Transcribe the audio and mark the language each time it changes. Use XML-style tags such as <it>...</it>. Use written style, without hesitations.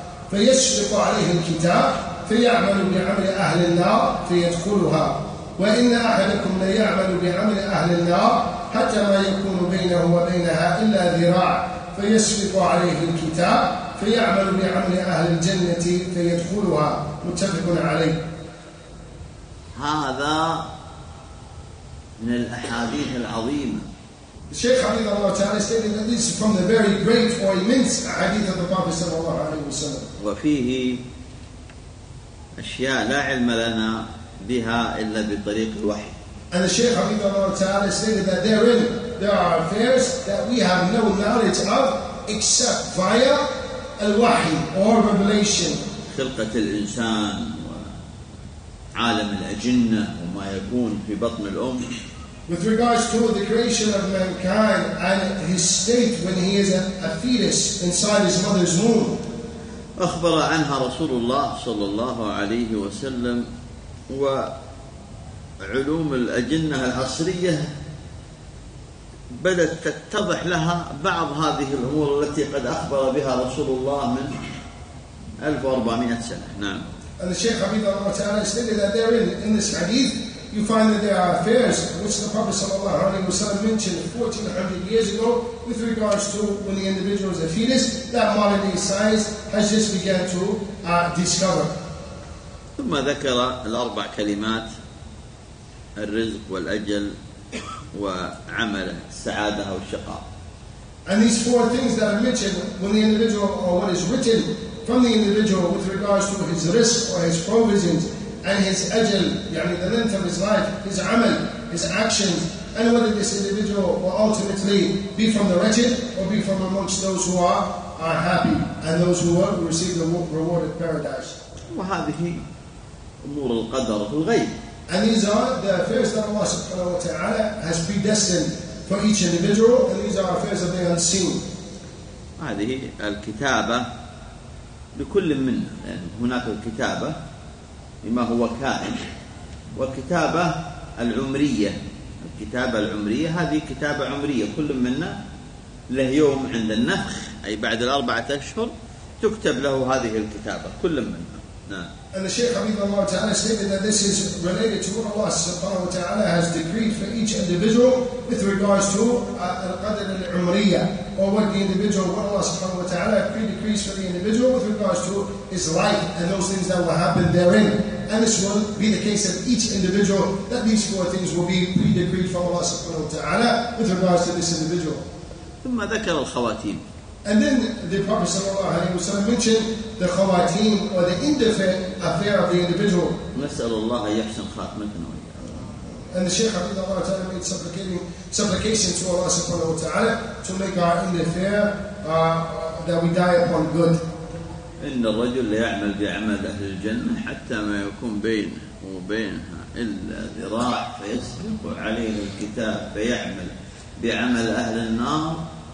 <ar>فيشفق عليه الكتاب فيعمل بعمل أهل النار فيدخلها وإن أحدكم ليعمل بعمل أهل النار حتى ما يكون بينه وبينها إلا ذراع فيشفق عليه الكتاب فيعمل بعمل أهل الجنة فيدخلها متفق عليه. هذا من الأحاديث العظيمة. الشيخ عبد الله تعالى</ar> <en>stated that this is from the very great or immense hadith of the Prophet</en> <ar>صلى الله عليه وسلم. وفيه أشياء لا علم لنا بها إلا بطريق الوحي.</ar> <en>And the Shaykh Hafidh Allah Ta'ala stated that therein there are affairs that we have no knowledge of except via al-wahi or revelation.</en> <ar>خلقة الإنسان عالم الأجنة وما يكون في بطن الأم.</ar> <en>With regards to the creation of mankind and his state when he is a fetus inside his mother's womb.</en> <ar>أخبر عنها رسول الله صلى الله عليه وسلم و علوم الأجنة العصرية بدأت تتضح لها بعض هذه الأمور التي قد أخبر بها رسول الله من 1400 سنة. نعم.</ar> <en>And the Shaykh Hafidhullah Ta'ala stated that therein, in this hadith, you find that there are affairs which the Prophet sallallahu alaihi wasallam mentioned 1400 years ago with regards to when the individual is a fetus that modern day science has just began to discover.</en> <ar>ثم ذكر الأربع كلمات الرزق والأجل وعمله السعادة والشقاء.</ar> <en>And these four things that are mentioned when the individual or what is written from the individual with regards to his risk or his provisions and his ajal,</en> <ar>يعني</ar> <en>the length of his life, his amal, his actions, and whether this individual will ultimately be from the wretched or be from amongst those who are happy and those who will receive the reward at paradise.</en> <ar>وهذه أمور القدر في الغيب.</ar> <en>And these are the affairs that Allah subhanahu wa ta'ala has predestined for each individual, and these are affairs of the unseen.</en> <ar>هذه الكتابة لكل منا، لأن هناك الكتابة لما هو كائن، والكتابة العمرية. الكتابة العمرية هذه كتابة عمرية، كل منا له يوم عند النفخ، أي بعد الأربعة أشهر تكتب له هذه الكتابة، كل منا.</ar> <en>And the Shaykh Habib Allah Ta'ala stated that this is related to what Allah Subhanahu wa Ta'ala has decreed for each individual with regards to al-qadr al-umriya, or what the individual, what Allah Subhanahu wa Ta'ala pre-decrees for the individual with regards to his life and those things that will happen therein. And this will be the case of each individual, that these four things will be pre-decreed for Allah Subhanahu wa Ta'ala with regards to this individual.</en> <ar>ثم ذكر الخواتيم.</ar> <en>And then the Prophet sallallahu alaihi wasallam mentioned the khawateem or the indifferent affair of the individual.</en> <ar>نسأل الله يحسن خاتمتنا.</ar> <en>And the Shaykh Habib Allah Ta'ala made supplication to Allah subhanahu wa ta'ala to make our indifferent that we die upon good.</en> <ar>إن الرجل ليعمل بعمل أهل الجنة حتى ما يكون بينه وبينها إلا ذراع فيسبق عليه الكتاب فيعمل بعمل أهل النار.</ar>